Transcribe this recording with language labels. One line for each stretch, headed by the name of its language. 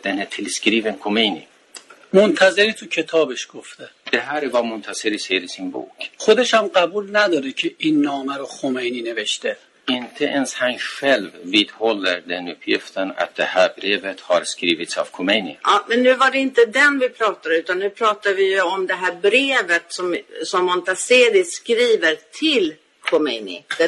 Swedish: Den är tillskriven Khomeini.
Persian: منتظری تو کتابش گفته.
Swedish: Det här är vad Montazeri säger i sin bok.
Persian: خودش هم قبول نداره که این نامه رو خمینی نوشته.
Swedish: Inte ens han själv vidhåller den uppgiften att det här brevet har skrivits av Khomeini. Ja, men nu var det inte den vi pratade utan nu pratar vi ju om det här brevet som Montazeri skriver till Khomeini.